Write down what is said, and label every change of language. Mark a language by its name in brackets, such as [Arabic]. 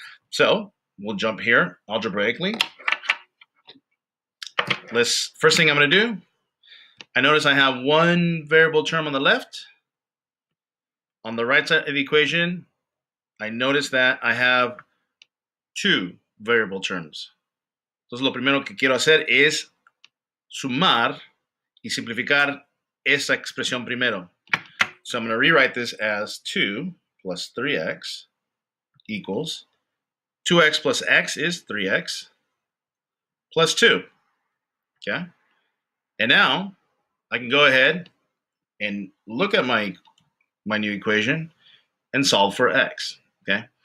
[English] So we'll jump here algebraically. First thing I'm going to do, I notice I have one variable term on the left. On the right side of the equation, I notice that I have two variable terms. [Spanish] Entonces, lo primero que quiero hacer es sumar y simplificar esa expresión primero. [English] So I'm going to rewrite this as 2 plus 3x equals 2x plus x is 3x plus 2. Okay? And now I can go ahead and look at my new equation and solve for x. Okay.